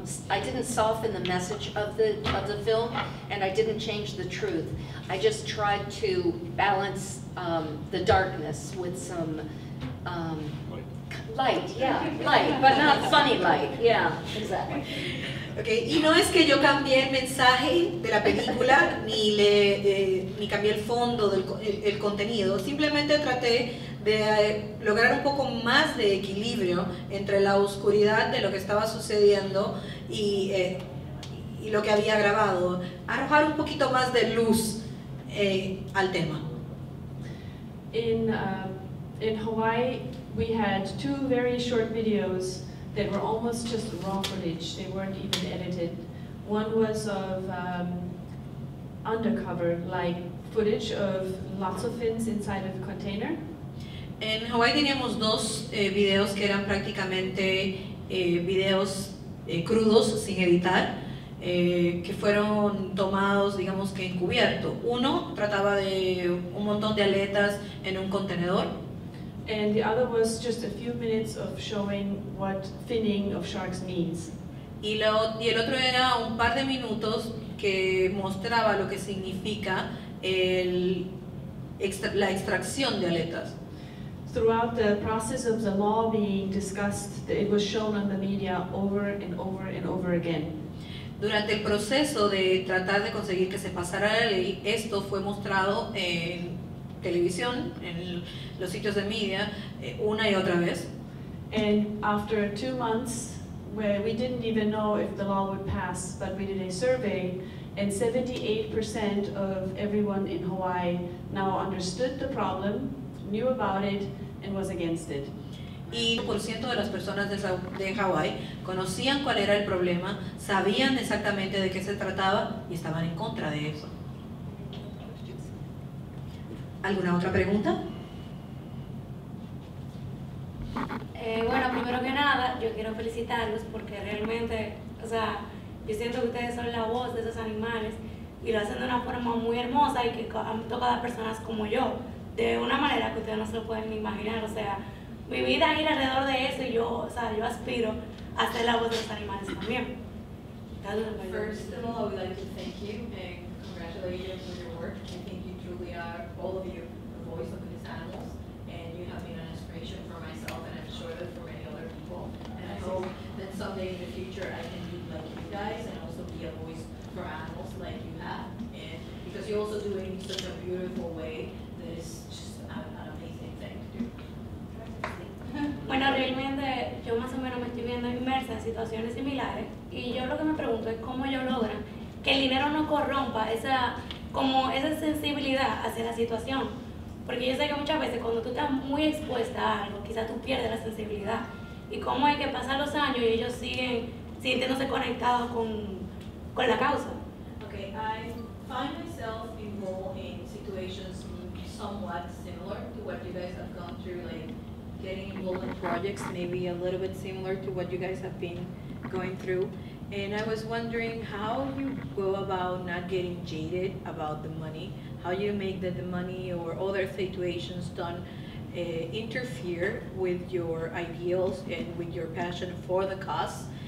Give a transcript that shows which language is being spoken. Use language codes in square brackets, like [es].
[en] I didn't soften the message of the film, and I didn't change the truth. I just tried to balance the darkness with some light, yeah, light, but not funny light, yeah, exactly. [es] Okay, y no es que yo cambié el mensaje de la película ni cambié el fondo del el contenido. Simplemente traté de lograr un poco más de equilibrio entre la oscuridad de lo que estaba sucediendo y lo que había grabado, arrojar un poquito más de luz al tema. [en] In Hawaii, we had two very short videos that were almost just raw footage. They weren't even edited. One was of undercover, like footage of lots of fins inside of a container. [es] En Hawaii teníamos dos videos que eran prácticamente videos crudos, sin editar, que fueron tomados, digamos que encubierto. Uno trataba de un montón de aletas en un contenedor. [en] And the other was just a few minutes of showing what finning of sharks means. [es] Y el otro era un par de minutos que mostraba lo que significa el, la extracción de aletas. [en] Throughout the process of the law being discussed, it was shown on the media over and over and over again. [es] Durante el proceso de tratar de conseguir que se pasara la ley, esto fue mostrado en televisión, en los sitios de media, una y otra vez. [en] And after 2 months, where we didn't even know if the law would pass, but we did a survey, and 78% of everyone in Hawaii now understood the problem, knew about it, and was against it. [es] Y 1% de las personas de Hawaii conocían cuál era el problema, sabían exactamente de qué se trataba y estaban en contra de eso. ¿Alguna otra pregunta? Bueno, primero que nada, yo quiero felicitarlos porque realmente, o sea, yo siento que ustedes son la voz de esos animales y lo hacen de una forma muy hermosa y que han tocado a personas como yo, de una manera que ustedes no se lo pueden ni imaginar. O sea, mi vida gira alrededor de eso y yo, o sea, yo aspiro a ser la voz de esos animales también. [en] First of all, we'd like to thank you and congratulate you for your work. I think you truly are, all of you, the voice of these animals, and you have been an inspiration for myself and I'm sure that for many other people. And I hope that someday in the future I can be like you guys and also be a voice for animals like you have. And because you're also doing it in such a beautiful way that is just an amazing thing to do. [es] Bueno, realmente yo más o menos me estoy viendo inmersa en situaciones similares y yo lo que me pregunto es cómo yo logro que el dinero no corrompa esa, como esa sensibilidad hacia la situación. Porque yo sé que muchas veces cuando tú estás muy expuesta a algo, quizás tú pierdes la sensibilidad. Y cómo es que pasan los años y ellos siguen sintiéndose conectados con la causa. [en] Okay, I find myself involved in situations somewhat similar to what you guys have gone through, like getting involved in projects maybe a little bit similar to what you guys have been going through. And I was wondering how you go about not getting jaded about the money, how you make that the money or other situations don't interfere with your ideals and with your passion for the cause.